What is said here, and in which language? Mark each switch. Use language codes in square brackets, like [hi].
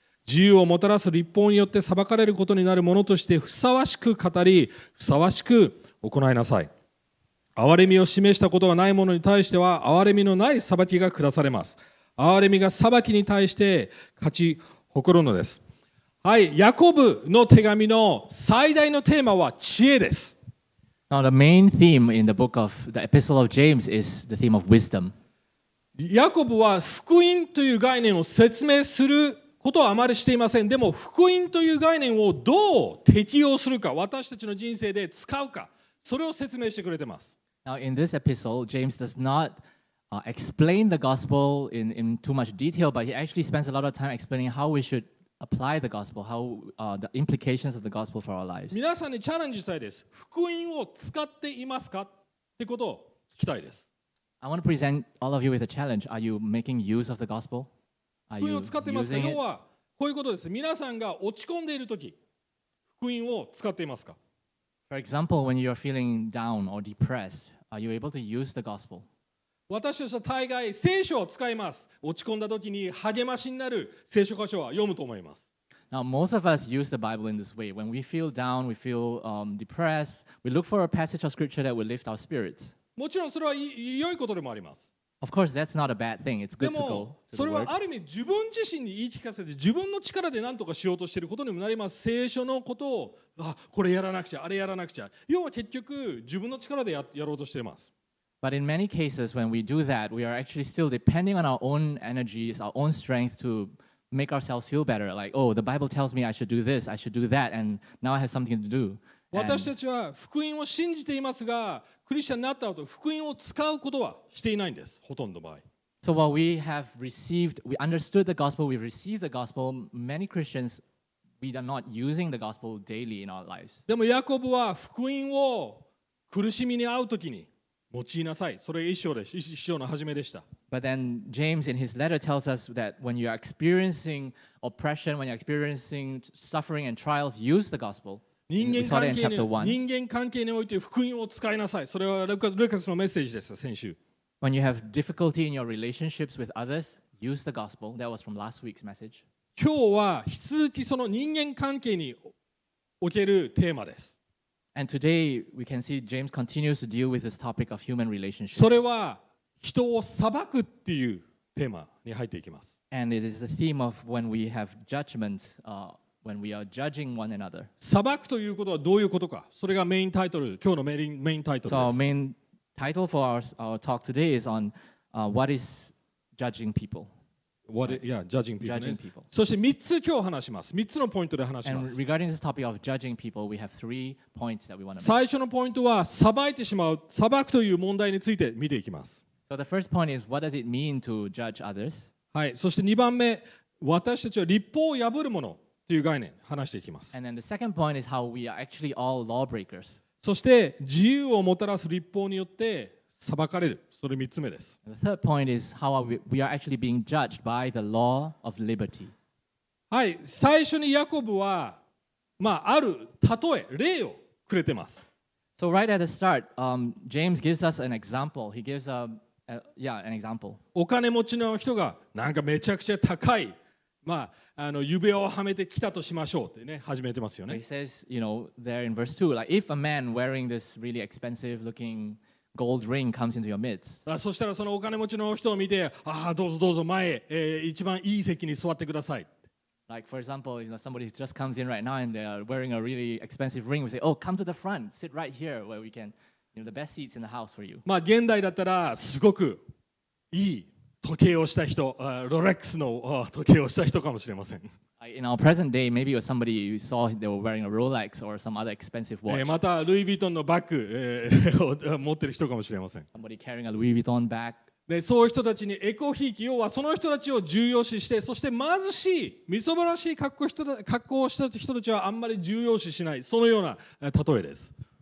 [ja] 自由をもたらす律法によって裁かれることになるものとしてふさわしく語りふさわしく行いなさい。憐れみを示したことがないものに対しては憐れみのない裁きが下されます。憐れみが裁きに対して勝ち誇るのです。はい、ヤコブの手紙の最大のテーマは知恵です。 [en] Now the main theme in the book of the epistle of James is the theme of wisdom. [ja] ヤコブは福音という概念を説明することはあまりしていません。でも福音という概念をどう適用するか、私たちの人生で使うか、それを説明してくれてます。 [en] Now in this epistle, James does notexplain the gospel in too much detail, but he actually spends a lot of time explaining how we shouldApply the gospel, how the implications of the gospel for our lives. [ja] 皆さんにチャレンジしたいです。福音を使っていますかってことを聞きたいです。 [en] I want to present all of you with a challenge. Are you making use of the gospel? Are you [ja] 福音を使ってますか。要はこういうことです。皆さんが落ち込んでいるとき、福音を使っていますか。 [en] For example, when you're feeling down or depressed, are you able to use the gospel? [ja] 私たちは大概聖書を使います。落ち込んだ時に励ましになる聖書箇所は読むと思います。 [en] Now, most of us use the Bible in this way. When we feel down, we feel depressed, we look for a passage of scripture that will lift our spirits. [ja] もちろんそれは良いことでもあります。 [en] Of course, that's not a bad thing. It's good to go. [ja] それはある意味自分自身に言い聞かせて自分の力で何とかしようとしていることにもなります。聖書のことをあこれやらなくちゃ、あれやらなくちゃ。要は結局自分の力で やろうとしています。 [en] But in many cases, when we do that, we are actually still depending on our own energies, our own strength to make ourselves feel better. Like, oh, the Bible tells me I should do this, I should do that, and now I have something to do. [ja] 私たちは福音を信じていますが、クリスチャンになった後、福音を使うことはしていないんです、ほとんどの場合。 [en] So while we have received, we understood the gospel, we received the gospel, many Christians, we are not using the gospel daily in our lives. [ja] でもヤコブは福音を苦しみに遭うときに、用いなさい。それが一章です。一章の初めでした。 [en] But then James in his letter tells us that when you are experiencing oppression, when you are experiencing suffering and trials, use the gospel. [ja] 人間関係において福音を使いなさい。それはルカスのメッセージでした、先週。 [en] When you have difficulty in your relationships with others, use the gospel. That was from last week's message. [ja] 今日は引き続きその人間関係におけるテーマです。 [en] And today we can see James continues to deal with this topic of human relationships. [ja] それは人を裁くっていうテーマに入っていきます。 [en] And it is the theme of when we have judgment, when we are judging one another. [ja] 裁くということはどういうことか。それがメインタイトル、今日のメインタイトルです。 [en] So our main title for our talk today is on what is judging people. Judging people. [ja] そして3つ今日話します。3つのポイントで話します。 [en] And regarding this topic of judging people, we have three points that we want to [ja] make. 最初のポイントは裁いてしまう、裁くという問題について見ていきます。 [en] So the first point is, what does it mean to judge others? [ja] はい、そして2番目、私たちは律法を破るものという概念話していきます。 [en] And then the second point is how we are actually all lawbreakers. [ja] そして自由をもたらす律法によって裁かれる。それ3つ目です。 [en] The third point is how we are actually being judged by the law of liberty. [ja] はい、最初にヤコブは、ある例え、例をくれてます。 [en] So right at the start, James gives us an example. He gives an example. [ja] お金持ちの人がなんかめちゃくちゃ高い、指輪をはめてきたとしましょうってね、始めてますよね。 [en] He says, you know, there in verse 2, like if a man wearing this really expensive looking gold ring comes into your midst. [ja] そしたらそのお金持ちの人を見て、ああどうぞどうぞ前へ、一番いい席に座ってください。 [en] Like for example, you know, somebody just comes in right now and they are wearing a really expensive ring. We say, oh, come to the front, sit right here where we can, you know, the best seats in the house for you. [ja] 現代だったらすごくいい時計をした人、ロレックスの時計をした人かもしれません。 [en] In our present day, maybe it was somebody you saw they were wearing a Rolex or some other expensive watch. [ja] またルイ・ヴィトンのバッグ持ってる人かもしれません。 [en] Somebody carrying a Louis Vuitton bag. [ja] でそういう人たちにエコひいき、要はその人たちを重要視して、そして貧しい、みそぼらしい格好をした人たちはあんまり重要視しない、そのような例えです。